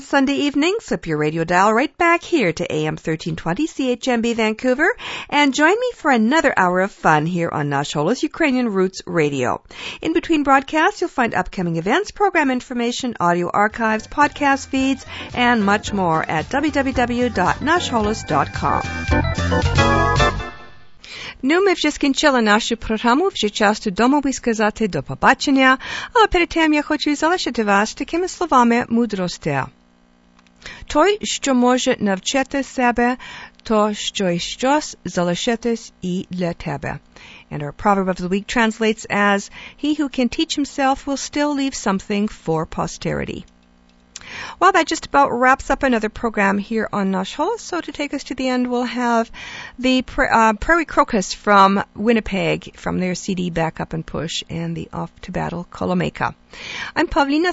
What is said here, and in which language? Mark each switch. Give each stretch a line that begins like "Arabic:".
English: Sunday evening, flip your radio dial right back here to AM 1320 CHMB Vancouver and join me for another hour of fun here on Nash Holos Ukrainian Roots Radio. In between broadcasts, you'll find upcoming events, program information, audio archives, podcast feeds, and much more at www.nashholos.com.
Ukrainian: Ну, ми вже скінчили нашу програму, вже час до дому, би сказати, до побачення. Але перед тим я хочу залишити вас такими словами мудрості. Той, що може навчити себе, то, що й щось залишитись і для тебе.
English: And our proverb of the week translates as, he who can teach himself will still leave something for posterity. Well, that just about wraps up another program here on Nash Holos. So to take us to the end, we'll have the Prairie Crocus from Winnipeg, from their CD Back Up and Push, and the Off to Battle Kolomeka. I'm Pavlina.